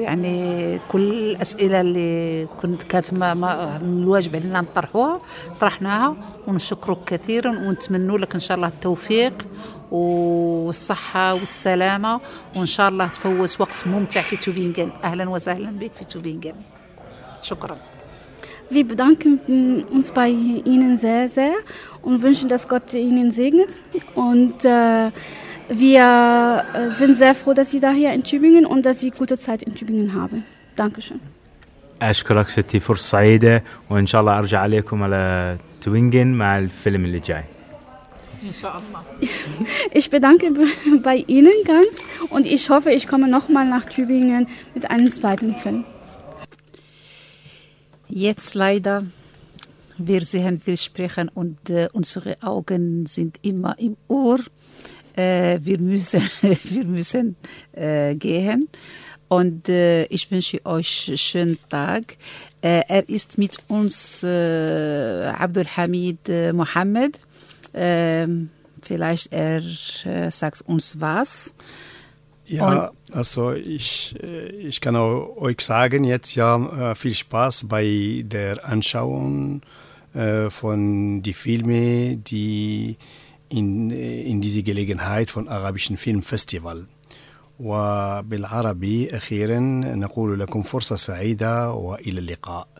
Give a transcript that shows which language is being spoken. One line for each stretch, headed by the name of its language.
Arabic: يعني كل الأسئلة اللي كنت كاتمة ما الواجب علينا نطرحوها طرحناها, ونشكرك كثيرا ونتمنوا لك إن شاء الله التوفيق والصحة والسلامة, وإن شاء الله تفوز وقت ممتع في توبينغن. أهلا وسهلا بك في توبينغن. شكرا.
German: Wir bedanken uns bei Ihnen sehr sehr und wünschen, dass Gott Ihnen segnet. Und wir sind sehr froh, dass Sie da hier in Tübingen und dass Sie gute Zeit in Tübingen haben. Dankeschön.
Arabic: أشكرك ستي, فرصة سعيدة, وإن شاء الله أرجع عليكم على توينجن مع الفيلم اللي جاي. إن شاء الله.
German: Ich bedanke bei Ihnen ganz und ich hoffe, ich komme nochmal nach Tübingen mit einem zweiten Film. Jetzt leider, wir sehen, wir sprechen und unsere Augen sind immer im Ohr. Wir müssen gehen und ich wünsche euch einen schönen Tag. Er ist mit uns Abdul Hamid Mohammed. Vielleicht er sagt uns was. Ja, und also ich kann auch euch sagen, jetzt ja viel Spaß bei der Anschauung von die Filme, die in diese Gelegenheit von Arabischen Filmfestival.
Arabic: وبالعربي أخيرا نقول لكم فرصة سعيدة وإلى اللقاء.